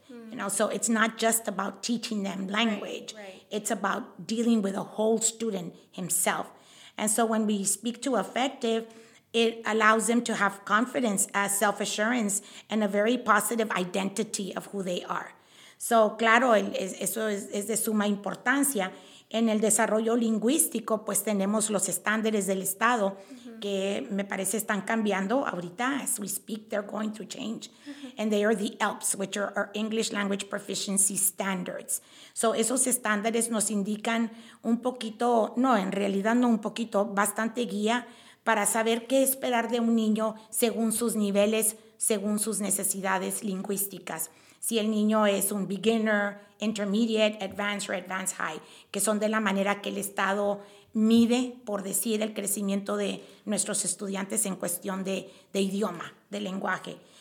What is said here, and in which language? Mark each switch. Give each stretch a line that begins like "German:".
English: You know, so it's not just about teaching them language. Right. It's about dealing with a whole student himself. And so when we speak to effective, it allows them to have confidence, self-assurance, and a very positive identity of who they are.
Spanish: So claro, eso es de suma importancia. En el desarrollo lingüístico, pues tenemos los estándares del Estado, que me parece están cambiando ahorita.
English: As we speak, they're going to change. And they are the ELPS, which are our English Language Proficiency Standards.
Spanish: So esos estándares nos indican un poquito, no, en realidad no un poquito, bastante guía para saber qué esperar de un niño según sus niveles, según sus necesidades lingüísticas. Si el niño es un
English: beginner, intermediate, advanced, or advanced high,
Spanish: que son de la manera que el Estado mide, por decir, el crecimiento de nuestros estudiantes en cuestión de idioma, de lenguaje.